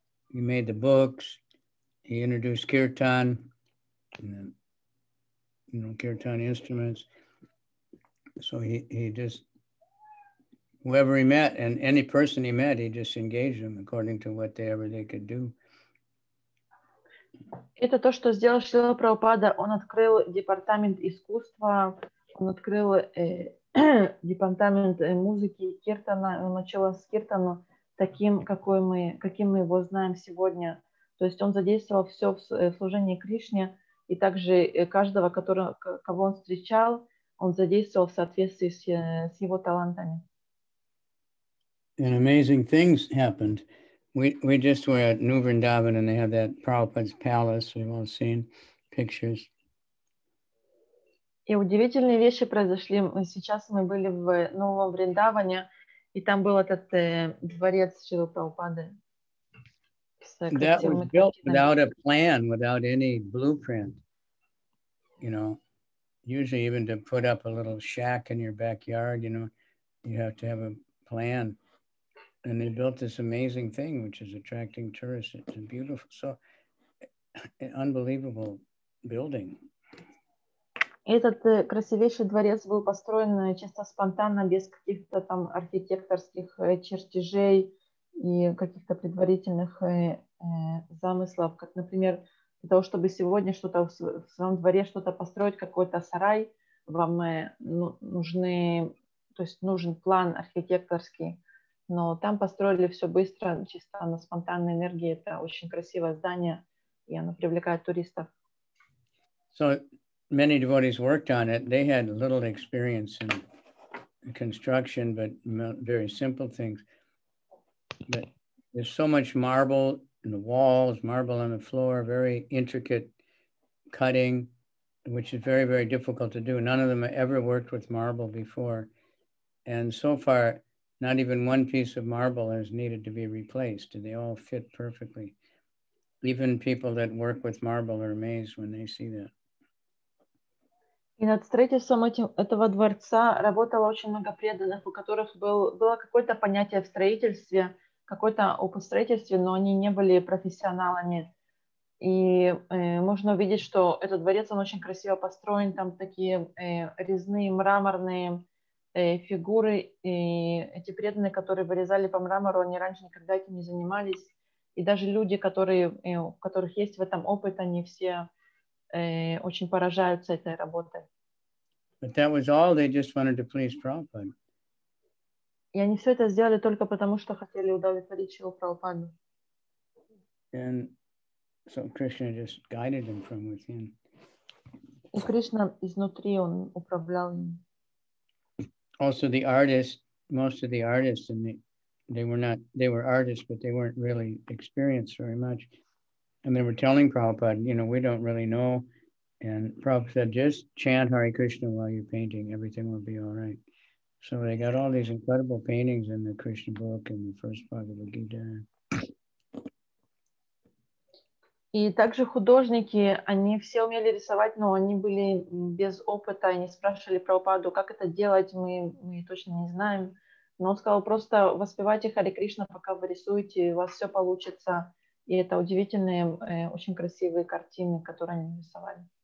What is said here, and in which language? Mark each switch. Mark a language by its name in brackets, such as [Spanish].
[English] He made the books. He introduced kirtan, and then, you know, kirtan instruments. So he just, whoever he met and any person he met, he just engaged them according to whatever they could do. [Russian] Это то, что сделал Шрила Прабхупада. Он открыл департамент искусства, он открыл департамент музыки киртана, он начал с киртана таким, каким мы его знаем сегодня. То есть он задействовал все в служении Кришне, и также каждого, кого он встречал, он задействовал в соответствии с его талантами. [English] And amazing things happened. We just were at New Vrindavan and they have that Prabhupada's palace. We've all seen pictures. [Russian] И удивительные вещи произошли. Сейчас мы были в Новом Вриндаване, и там был этот дворец Шрилы Прабхупады. [English] That was built without a plan, without any blueprint. You know, usually even to put up a little shack in your backyard, you know, you have to have a plan. And they built this amazing thing, which is attracting tourists. It's a beautiful, so unbelievable building. [Russian] Этот красивейший дворец был построен чисто спонтанно, без каких-то там архитекторских чертежей и каких-то предварительных замыслов. Как, например, для того, чтобы сегодня что-то в своем дворе что-то построить, какой-то сарай, вам нужен план архитекторский. Но там построили все быстро, чисто на спонтанной энергии. Это очень красивое здание, и оно привлекает туристов. [English] So many devotees worked on it. They had little experience in construction, but very simple things. But there's so much marble in the walls, marble on the floor, very intricate cutting, which is very, very difficult to do. None of them ever worked with marble before. And so far, not even one piece of marble has needed to be replaced. They all fit perfectly. Even people that work with marble are amazed when they see that. [Russian] И над строительством этого дворца работало очень много преданных, у которых было какое-то понятие в строительстве, какой-то опыт в строительстве, но они не были профессионалами. И можно увидеть, что этот дворец, он очень красиво построен, там такие резные, мраморные фигуры, и эти преданные, которые вырезали по мрамору, они раньше никогда этим не занимались. И даже люди, у которых есть в этом опыт, они все очень поражаются этой работой. [English] But that was all, they just wanted to please Prabhupada. [Russian] И они все это сделали только потому, что хотели удовлетворить Шрилу Прабхупаду. [English] And so Krishna just guided them from within. [Russian] И Кришна изнутри, он управлял им. [English] Also the artists, most of the artists, and they were artists, but they weren't really experienced very much. And they were telling Prabhupada, you know, we don't really know. And Prabhupada said, just chant Hare Krishna while you're painting, everything will be all right. So they got all these incredible paintings in the Krishna book and the first Bhagavad Gita. [Russian] И также художники, они все умели рисовать, но они были без опыта, они спрашивали Прабхупаду, как это делать, мы точно не знаем. Но он сказал, просто воспевайте Хари Кришна, пока вы рисуете, у вас все получится. И это удивительные, очень красивые картины, которые они рисовали.